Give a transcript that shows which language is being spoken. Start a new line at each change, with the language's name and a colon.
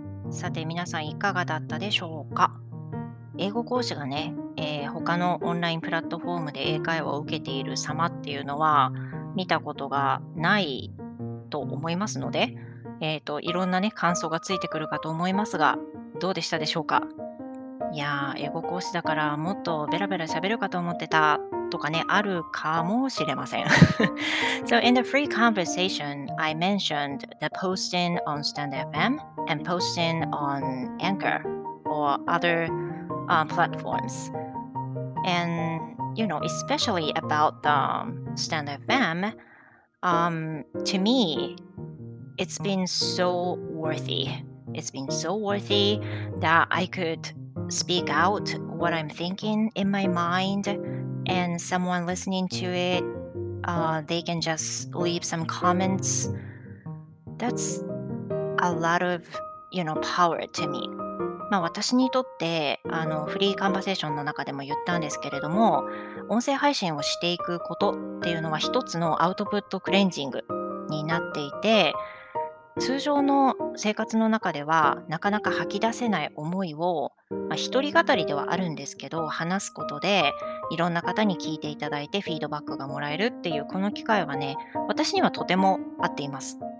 Japanese: さて皆さんいかがだったでしょうか。英語講師がね、他のオンラインプラットフォームで英会話を受けている様っていうのは見たことがないと思いますので、いろんなね感想がついてくるかと思いますが、どうでしたでしょうか。いやー、英語講師だからもっとベラベラ喋るかと思ってたとかね、あるかもしれません。
English: So in the free conversation, I mentioned the posting on Stand FM and posting on Anchor or other platforms. And, you know, especially about the Stand FM, to me, it's been so worthy. It's been so worthy that I could... speak out what I'm thinking in my mind, and someone listening to it, they can just leave some comments. That's a lot of, you know, power to me.
Japanese: まあ私にとってあのフリーカンバセーションの中でも言ったんですけれども、音声配信をしていくことっていうのは一つのアウトプットクレンジングになっていて、通常の生活の中ではなかなか吐き出せない思いを、まあ、一人語りではあるんですけど話すことでいろんな方に聞いていただいてフィードバックがもらえるっていうこの機会はね、私にはとても合っています。